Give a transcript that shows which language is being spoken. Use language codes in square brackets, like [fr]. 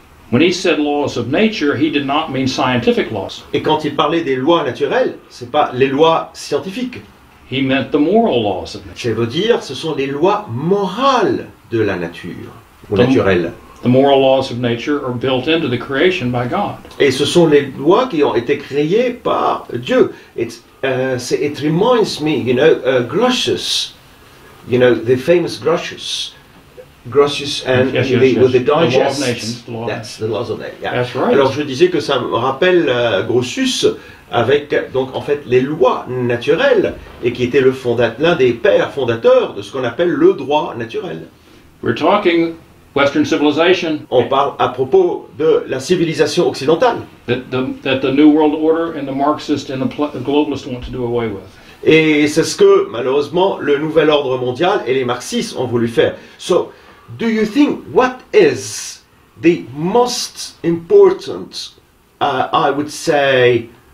[en] When he said laws of nature, he did not mean scientific laws. [fr] Et quand il parlait des lois naturelles, c'est pas les lois scientifiques. [en] He meant the moral laws of nature. [fr] Je veux dire, ce sont les lois morales de la nature, ou naturelles. [en] The moral laws of nature are built into the creation by God. [fr] Et ce sont les lois qui ont été créées par Dieu. [en] It reminds me, you know, Grotius, you know, the famous Grotius. Grotius and the digest. The law of nations, the law. That's the laws of nature. Yeah. That's right. [fr] Alors je disais que ça me rappelle Grotius. Avec donc en fait les lois naturelles et qui était l'un des pères fondateurs de ce qu'on appelle le droit naturel. [en] We're talking Western civilization. [fr] On parle à propos de la civilisation occidentale. [en] That the new world order and the Marxist and the globalists want to do away with. [fr] Et c'est ce que malheureusement le nouvel ordre mondial et les marxistes ont voulu faire. [en] So, do you think what is the most important, I would say?